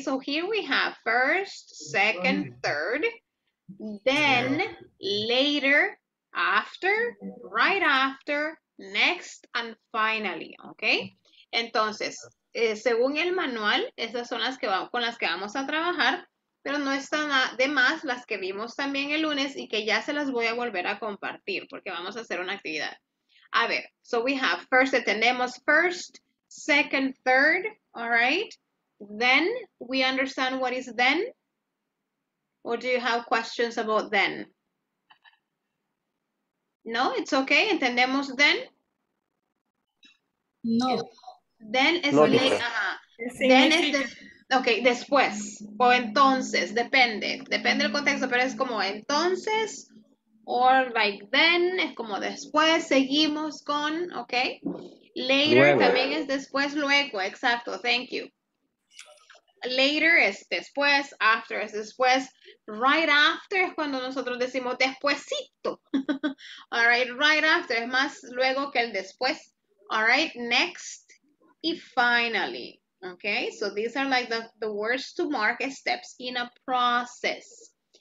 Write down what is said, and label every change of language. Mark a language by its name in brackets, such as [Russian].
[English] So here we have first, second, third, then, later, after, right after, next, and finally. Okay. [Spanish] Entonces, según el manual, esas son las que con las que vamos a trabajar, pero no están de más las que vimos también el lunes y que ya se las voy a volver a compartir porque vamos a hacer una actividad. A ver, [English] so we have first, [Spanish] tenemos [English] first, second, third, all right? Then, we understand what is then? Or do you have questions about then? No, it's okay, [Spanish] entendemos [English] then? No. [Spanish] Then es no, later. Then es okay, después. O entonces, depende. Depende del contexto, pero es como entonces. [English] Or like then, [Spanish] es como después. Seguimos con, okay? Later luego. También es después, luego. Exacto, [English] thank you. [Spanish] Later es después. After es después. Right after es cuando nosotros decimos despuesito. [English] All right, [Spanish] right after es más luego que el después. [English] All right, next. Y finally, okay, so these are like the words to mark steps in a process.